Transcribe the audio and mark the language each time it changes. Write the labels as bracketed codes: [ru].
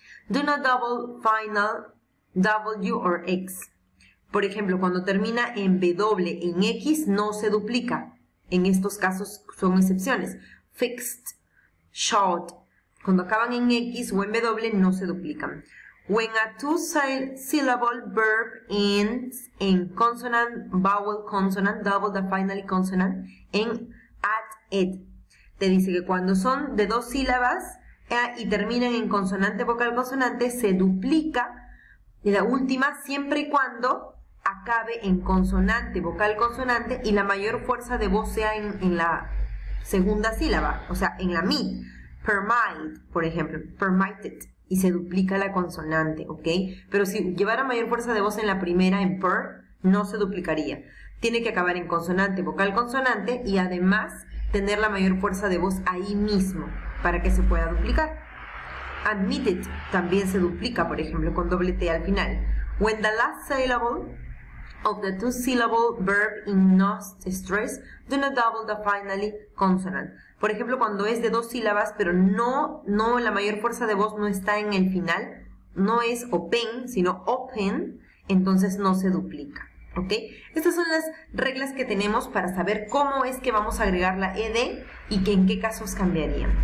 [en] Do not double final w or x. [es] Por ejemplo, cuando termina en w, en x, no se duplica. En estos casos son excepciones. Fixed, short. Cuando acaban en x o en w, no se duplican. [en] When a two-syllable verb ends in consonant, vowel, consonant, double the final consonant, and add it. [es] Te dice que cuando son de dos sílabas y terminan en consonante, vocal, consonante, se duplica la última siempre y cuando acabe en consonante, vocal, consonante, y la mayor fuerza de voz sea en la segunda sílaba, o sea, en la mid. Permit, por ejemplo, permitted, y se duplica la consonante, ¿ok? Pero si llevara mayor fuerza de voz en la primera, en per, no se duplicaría. Tiene que acabar en consonante, vocal, consonante, y además tener la mayor fuerza de voz ahí mismo, para que se pueda duplicar. Admitted, también se duplica, por ejemplo, con doble T al final. [en] When the last syllable of the two-syllable verb in not stress, do not double the finally consonant. [es] Por ejemplo, cuando es de dos sílabas, pero no la mayor fuerza de voz no está en el final, no es open, sino open, entonces no se duplica, ¿ok? Estas son las reglas que tenemos para saber cómo es que vamos a agregar la ed y que en qué casos cambiarían.